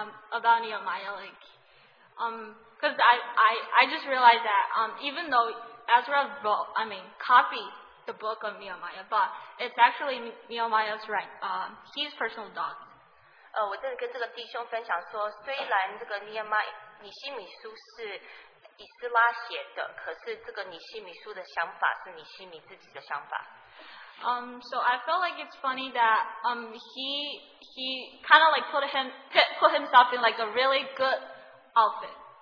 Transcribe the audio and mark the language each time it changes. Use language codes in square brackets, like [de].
[en] About Nehemiah, like, because I just realized that even though Ezra wrote, I mean, copied the book of Nehemiah, but it's actually Nehemiah's right, his personal thoughts. [zh] 我正跟这个弟兄分享说，虽然这个尼希米书是 以斯拉写的，可是这个尼希米书的想法是尼希米自己的想法。 [en] So I felt like it's funny that he kind of like put himself in like a really good outfit.